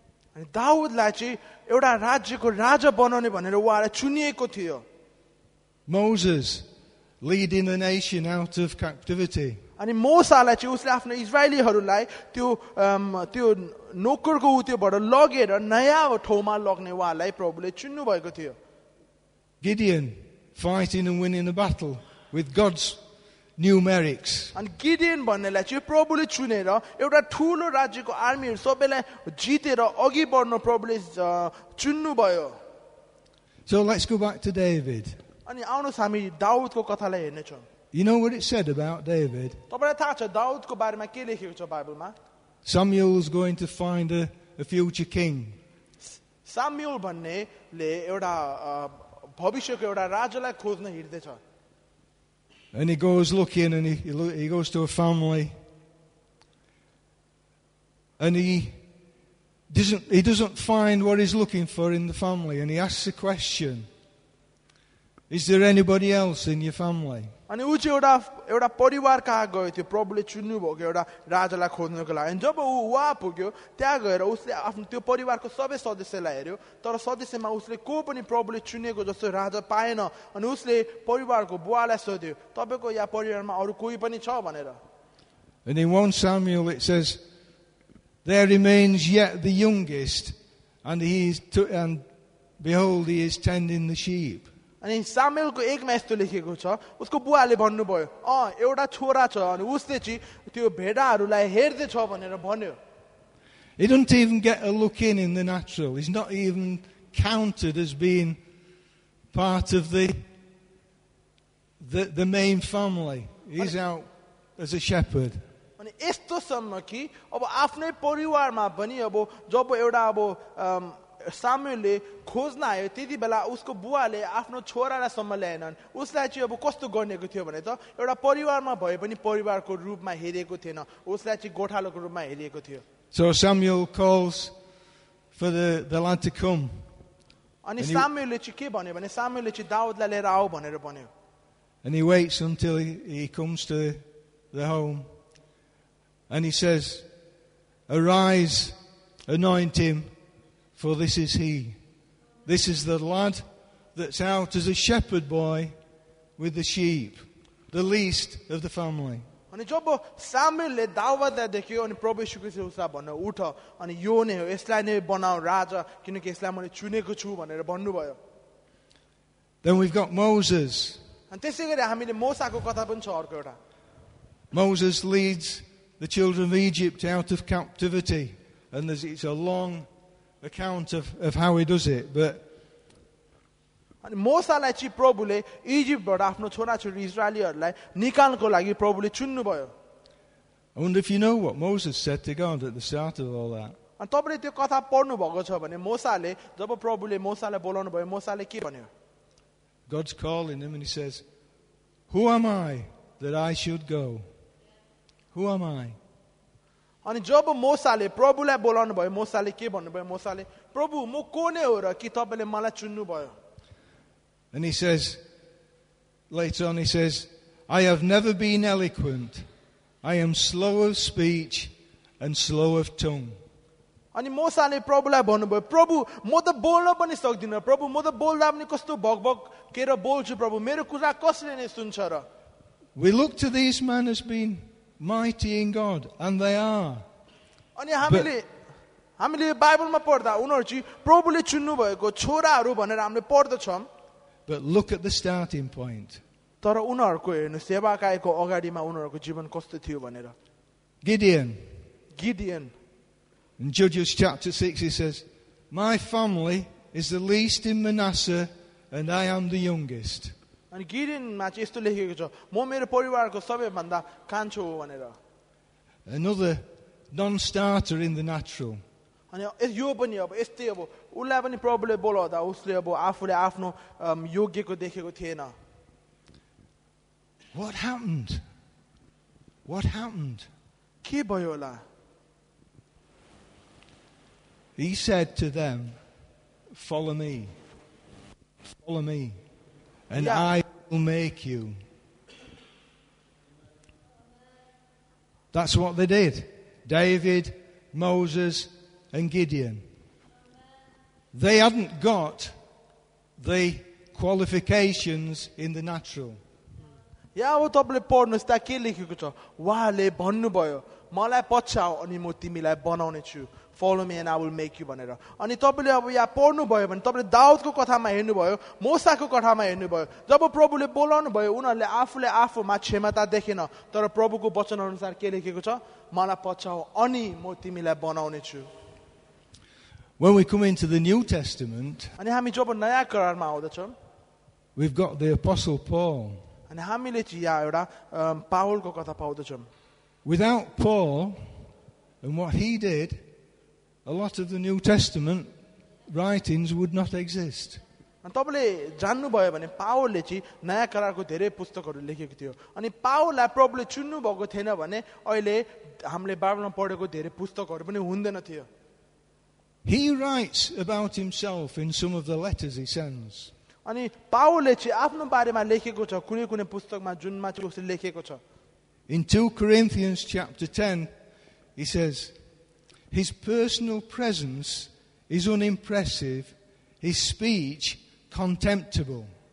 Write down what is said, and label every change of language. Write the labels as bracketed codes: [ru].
[ne] अनि दाउदलाई चाहिँ एउटा राज्यको राजा बनाउने भनेर उहाँलाई चुनिएको थियो. [en] Moses, leading the nation out of captivity. [ne] अनि मोसाले चाहिँ उसले आफ्नो इजरायलीहरूलाई त्यो त्यो नोकरको उत्योबाट लगेर नयाँ ठाउँमा लग्ने उहाँलाई प्रभुले चुन्नु भएको थियो. [en] Gideon fighting and winning the battle with God's numerics. [ne] अनि गिडियन भन्नेलाई चाहिँ प्रभुले चुनेर एउटा ठूलो राज्यको आर्मीहरू सबैलाई जितेर अघि बढ्न प्रभुले चुन्नु भयो. [en] So let's go back to David. [ne] अनि आउनुहोस् हामी दाउदको कथालाई हेर्नेछौँ. [en] You know what it said about David? [ne] तपाईँलाई थाहा छ दाउदको बारेमा के लेखेको छ बाइबलमा? [en] Samuel is going to find a future king. [ne] Samuel भन्नेले एउटा भविष्यको एउटा राजालाई खोज्न हिँड्दैछ. [en] And he goes looking and he goes to a family. And he doesn't find what he's looking for in the family, and he asks a question. Is there anybody else in your family? [ne] अनि ऊ चाहिँ एउटा परिवार कहाँ गयो थियो प्रभुले चुन्नु भयो कि एउटा राजालाई खोज्नको लागि. अनि जब ऊ वहाँ पुग्यो, त्यहाँ गएर उसले आफ्नो त्यो परिवारको सबै सदस्यलाई हेऱ्यो, तर सदस्यमा उसले को पनि प्रभुले चुनेको जस्तो राजा पाएन. अनि उसले परिवारको बुवालाई सोध्यो, तपाईँको या परिवारमा अरू कोही पनि छ भनेर. [en] And in 1 Samuel it says, there remains yet the youngest, and he is to, and behold, he is tending the sheep. [ne] अनि सामुएलको एकमा यस्तो लेखेको छ उसको बुवाले भन्नुभयो अँ एउटा छोरा छ अनि उसले चाहिँ त्यो भेडाहरूलाई हेर्दै छ भनेर भन्यो. [en] He didn't even get a look in the natural. He's not even counted as being part of the main family. He's out as a shepherd. [ne] अनि यस्तोसम्म कि अब आफ्नै परिवारमा पनि अब जब एउटा अब सामुएलले खोज्न आयो त्यति बेला उसको बुवाले आफ्नो छोरालाईसम्म ल्याएनन् उसलाई चाहिँ अब कस्तो गर्नेको थियो भने त एउटा परिवारमा भए पनि परिवारको रूपमा हेरिएको थिएन उसलाई चाहिँ गोठालोको रूपमा हेरिएको थियो. [en] So Samuel calls for the lad to come. [ne] अनि सामुएलले चाहिँ के भन्यो भने सामुएलले चाहिँ दाउदलाई लिएर आऊ भनेर भन्यो. [en] And he waits until he comes to the home and he says, arise, anoint him. For this is he. This is the lad that's out as a shepherd boy with the sheep, the least of the family. [ne] अनि जब सामुएलले दाउदलाई देख्यो अनि प्रभु यीशु ख्रीष्ट उसलाई भन्नु उठ अनि यो नै हो यसलाई नै बनाऊ राजा किनकि यसलाई मैले चुनेको छु भनेर भन्नुभयो. [en] Then we've got Moses. [ne] अनि त्यसै गरी हामीले मोसाको कथा पनि छ अर्को एउटा. [en] Moses leads the children of Egypt out of captivity and it's a long account of how he does it, but [ne] अनि मोसालाई चाहिँ प्रभुले इजिप्टबाट आफ्नो छोराछोरी इजरायलीहरूलाई निकाल्नको लागि प्रभुले चुन्नुभयो. [en] I wonder if you know what Moses said to God at the start of all that. [ne] अनि तपाईँले त्यो कथा पढ्नु भएको छ भने मोसाले जब प्रभुले मोसालाई बोलाउनु भयो मोसाले के भन्यो. [en] God's calling him and he says, who am I that I should go? Who am I? [ne] अनि जब मोसाले प्रभुलाई बोलाउनु भयो मोसाले के भन्नुभयो मोसाले प्रभु म को नै हो र कि तपाईँले मलाई चुन्नु भयो. [en] And he says, later on he says, I have never been eloquent. I am slow of speech and slow of tongue. [ne] अनि मोसाले प्रभुलाई भन्नुभयो प्रभु म त बोल्न पनि सक्दिनँ प्रभु म त बोल्दा पनि कस्तो भकभक केर बोल्छु प्रभु मेरो कुरा कसले नै सुन्छ र. [en] We look to these men as being mighty in God, and they are. [ne] अनि हामीले हामीले बाइबलमा पढ्दा उनीहरू चाहिँ प्रभुले चुन्नु भएको छोराहरू भनेर हामीले पढ्दछौँ. [en] But look at the starting point. [ne] तर उनीहरूको हेर्नु सेवाकाको अगाडिमा उनीहरूको जीवन कस्तो थियो भनेर. [en] Gideon. In Judges chapter 6 he says, my family is the least in Manasseh and I am the youngest. [ne] अनि गिडियनमा चाहिँ यस्तो लेखेको छ म मेरो परिवारको सबैभन्दा कान्छो हो भनेर. [en] Another non-starter in the natural. [ne] अनि यो पनि अब यस्तै अब उसलाई पनि प्रभुले बोलाउँदा उसले अब आफूले आफ्नो योग्यको देखेको थिएन. [en] What happened? [ne] के भयो होला. [en] He said to them, follow me. And yeah. I will make you. That's what they did. David, Moses, and Gideon. They hadn't got the qualifications in the natural. Yeah, what I'll report is that he like you to. Wale bannu boyo. [ne] Malai pachao ani moti milai banane chu. [en] Follow me and I will make you [ne] भनेर. अनि तपाईँले अब यहाँ पढ्नुभयो भने तपाईँले दाउदको कथामा हेर्नुभयो मोसाको कथामा हेर्नुभयो जब प्रभुले बोलाउनु भयो उनीहरूले आफूले आफूमा क्षमता देखेन तर प्रभुको वचन अनुसार के लेखेको छ मलाई पछ्याऊ अनि म तिमीलाई बनाउने छु. [en] When we come into the New Testament, [ne] अनि हामी जब नयाँ करारमा आउँदछौँ [en] we've got the Apostle Paul. [ne] अनि हामीले यहाँ एउटा पावलको कथा पाउँदछौँ. [en] Without Paul and what he did, a lot of the New Testament writings would not exist. [ne] अनि तपाईँले जान्नुभयो भने पावलले चाहिँ नयाँ करारको धेरै पुस्तकहरू लेखेको थियो अनि पावललाई प्रभुले चुन्नु भएको थिएन भने अहिले हामीले बाइबलमा पढेको धेरै पुस्तकहरू पनि हुँदैन थियो. [en] He writes about himself in some of the letters he sends. [ne] अनि पावलले चाहिँ आफ्नो बारेमा लेखेको छ कुनै कुनै पुस्तकमा जुनमा चाहिँ उसले लेखेको छ. [en] In 2 Corinthians chapter 10 he says, his personal presence is unimpressive, his speech contemptible.